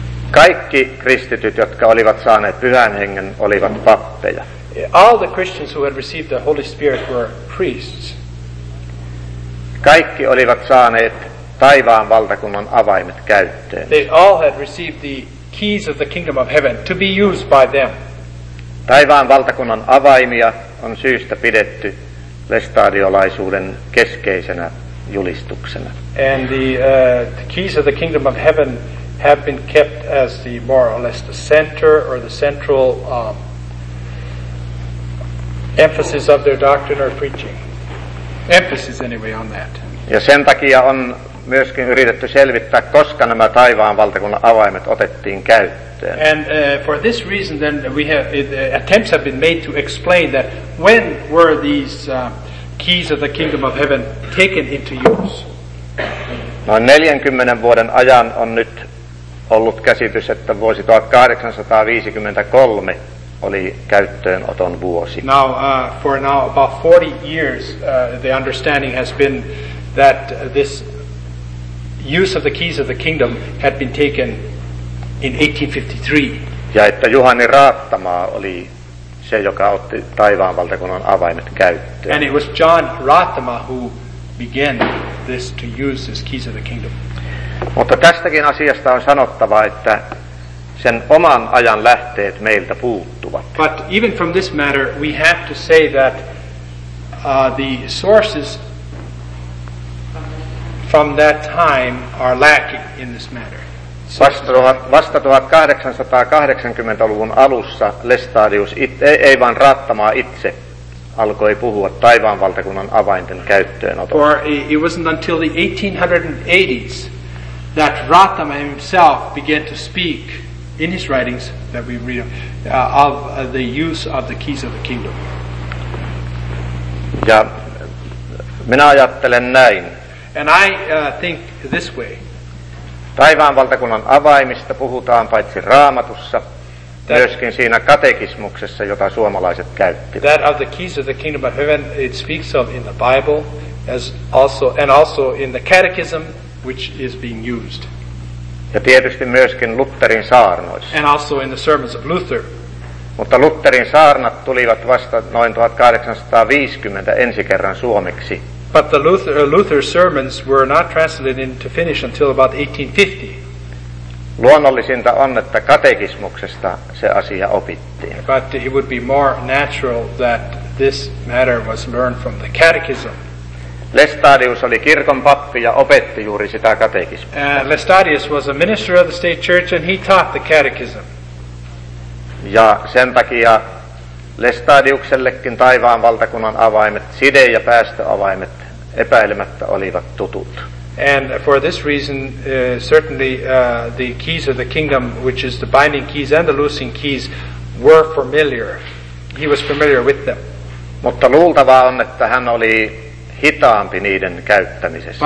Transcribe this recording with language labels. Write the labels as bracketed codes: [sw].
[fi] Kaikki kristityt, jotka olivat saaneet pyhän hengen, olivat pappeja. [en] All the Christians who had received the Holy Spirit were priests. [fi] Kaikki olivat saaneet taivaan valtakunnan avaimet käyttöön. [en] They all had received the keys of the kingdom of heaven to be used by them. [fi] Taivaan valtakunnan avaimia on syystä pidetty lestadiolaisuuden keskeisenä julistuksena. [en] And the keys of the kingdom of heaven have been kept as the more or less the center or the central emphasis of their doctrine or preaching. Emphasis anyway on that. [fi] Ja sen takia on myöskin yritetty selvittää, koska nämä taivaan valtakunnan avaimet otettiin käyttöön. [en] And for this reason then we have attempts have been made to explain that when were these keys of the kingdom of heaven taken into use. [fi] Noin 40 vuoden ajan on nyt ollut käsitys, että vuosi 1853 oli käyttöönoton vuosi. [en] Now for now about 40 years the understanding has been that this use of the keys of the kingdom had been taken in 1853. [fi] Ja että Juhani Raattamaa oli se, joka otti taivaan valtakunnan avaimet käyttöön. [en] And it was John Raattama who began this to use his keys of the kingdom. [fi] Mutta tästäkin asiasta on sanottava, että sen oman ajan lähteet meiltä puuttuvat. [en] But even from this matter we have to say that the sources from that time are lacking in this matter. [fi] Vasta 1880-luvun alussa Lestadius ei vaan Raattamaa itse alkoi puhua taivaan valtakunnan avainten käyttöönotosta. [en] Or it wasn't until the 1880s that Raattama himself began to speak in his writings that we read of the use of the keys of the kingdom. [fi] Ja minä ajattelen näin. [en] And I think this way. [fi] Taivaan valtakunnan avaimista puhutaan paitsi Raamatussa, myöskin siinä katekismuksessa, jota suomalaiset käyttivät. [en] That of the keys of the kingdom of heaven it speaks of in the Bible as also and also in the catechism which is being used. [fi] Ja tietysti myöskin Lutherin saarnoissa. [en] And also in the sermons of Luther. [fi] Mutta Lutherin saarnat tulivat vasta noin 1850 ensi kerran suomeksi. [en] But the Luther sermons were not translated into Finnish until about 1850. [fi] Luonnollisinta on, että katekismuksesta se asia opittiin. [en] But it would be more natural that this matter was learned from the catechism. [fi] Lestadius oli kirkon pappi ja opetti juuri sitä katekismusta. [en] Lestadius was a minister of the state church and he taught the catechism. [fi] Ja sen takia Lestadiuksellekin taivaan valtakunnan avaimet, side- ja päästöavaimet epäilemättä olivat tutut. [en] And for this reason, certainly the keys of the kingdom, which is the binding keys and the loosing keys, were familiar. He was familiar with them. [fi] Mutta luultavaa on, että hän oli hitaampi niiden käyttämisessä.